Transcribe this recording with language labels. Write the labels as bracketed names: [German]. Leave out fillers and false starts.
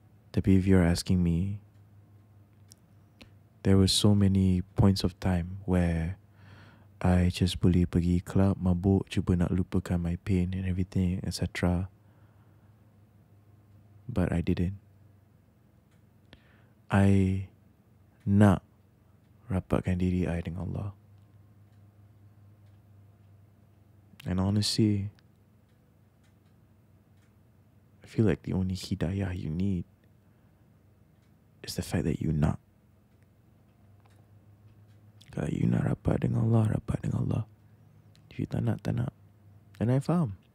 [Malay] Tapi [English] if you're asking me, there were so many points of time where I just [Malay] boleh pergi club, mabuk, cuba nak lupakan [English] my pain and everything, etc. But I didn't. [Malay] I nak rapatkan diri I dengan Allah. [English] And honestly, I feel like the only hidayah you need is the fact that you nak. [Malay] Kalau you nak rapat dengan Allah, rapat dengan Allah. [English] If you [Malay] tak nak, tak nak. [English] And I [Malay] faham.